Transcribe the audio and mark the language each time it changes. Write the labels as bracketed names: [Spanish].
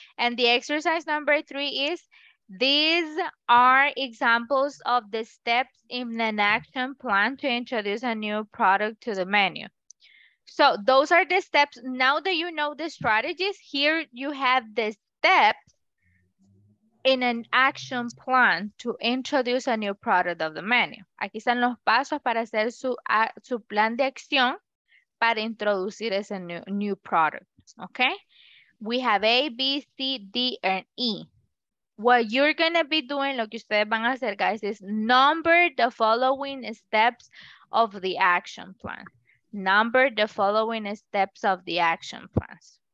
[English] And the exercise number three is, these are examples of the steps in an action plan to introduce a new product to the menu. So those are the steps. Now that you know the strategies, here you have the steps in an action plan to introduce a new product of the menu. [Spanish] Aquí están los pasos para hacer su plan de acción para introducir ese [English] new product. Okay, we have A, B, C, D, and E. What you're going to be doing, [Spanish] lo que ustedes van a hacer, [English] guys, is number the following steps of the action plan. Number the following steps of the action plans.